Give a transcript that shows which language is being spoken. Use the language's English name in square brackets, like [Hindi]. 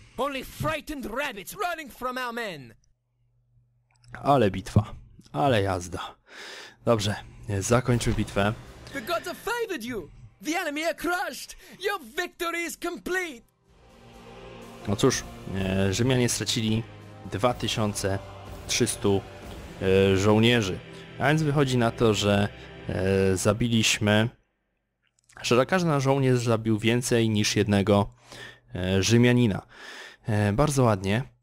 [English] Only frightened rabbits running from our men. [Polish] Ale bitwa. Ale jazda. Dobrze, zakończmy bitwę. [English] The gods have favored you! The enemy are crushed! Your victory is complete! [Polish] No cóż, Rzymianie stracili 2300 żołnierzy. A więc wychodzi na to, że zabiliśmy, że każdy żołnierz zabił więcej niż jednego Rzymianina. Bardzo ładnie.